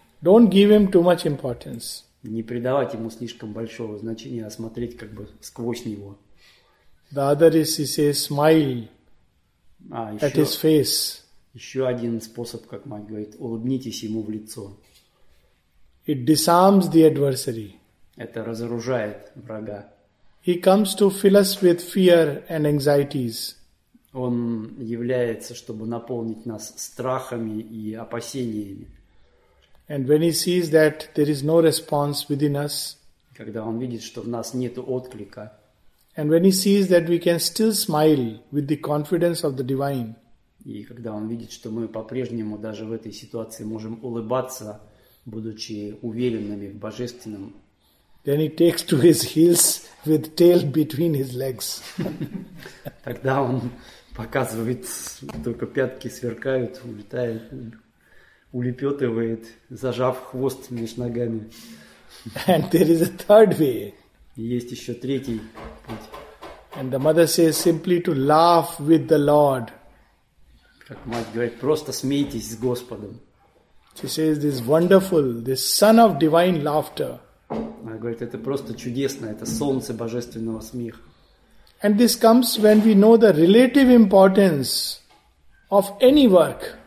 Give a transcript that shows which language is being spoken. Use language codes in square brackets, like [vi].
[en] Don't give him too much importance. [ru] Не придавать ему слишком большого значения, а смотреть как бы сквозь него. [en] The other is he says smile at his face. [ru] Еще один способ, как мать говорит, улыбнитесь ему в лицо. [en] It disarms the adversary. [ru] Это разоружает врага. [en] He comes to fill us with fear and anxieties. [ru] Он является, чтобы наполнить нас страхами и опасениями. [en] And when he sees that there is no response within us, [ru] когда он видит, что в нас нету отклика, [en] and when he sees that we can still smile with the confidence of the divine, [ru] и когда он видит, что мы по-прежнему даже в этой ситуации можем улыбаться, будучи уверенными в Божественном, [en] then he takes to his heels with tail between his legs. [ru] Тогда он показывает, только пятки сверкают, улетает. Улепетывает, зажав хвост между ногами. [en] And there is a third way. [ru] Есть еще третий путь. [en] And the mother says simply to laugh with the Lord. [ru] Как мать говорит, просто смейтесь с Господом. [en] She says this wonderful, this son of divine laughter. [ru] Она говорит, это просто чудесно, это солнце божественного смеха. [en] And this comes when we know the relative importance of any work.